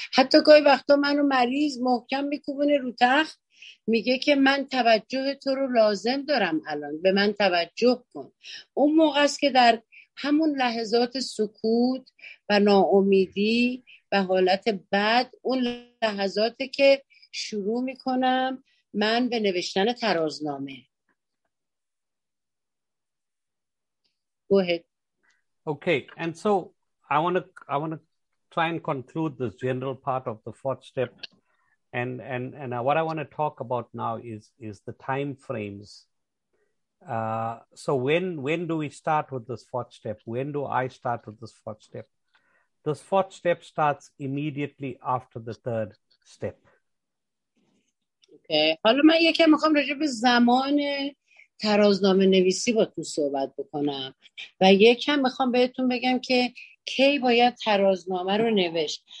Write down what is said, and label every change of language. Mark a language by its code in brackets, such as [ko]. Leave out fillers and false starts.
[fa] حتی گاهی وقتا منو مریض محکم میکوبونه رو تخت، میگه که من توجه تو رو لازم دارم، الان به من توجه کن. اون موقع است که در همون لحظات سکوت و ناامیدی و حالت بد، اون لحظاته که شروع میکنم من به نوشتن ترازنامه. [en] Go ahead. Okay, and so I want to try and conclude this general part of the fourth step, and what I want to talk about now is the time frames. So when do we start with this fourth step? When do I start with this fourth step? This fourth step starts immediately after the third step. Okay. [fa] حالا من یکی میخوام راجع به زمان ترازنامه نویسی با تو صحبت بکنم و یکم میخوام بهتون بگم که کی باید ترازنامه رو نوشت.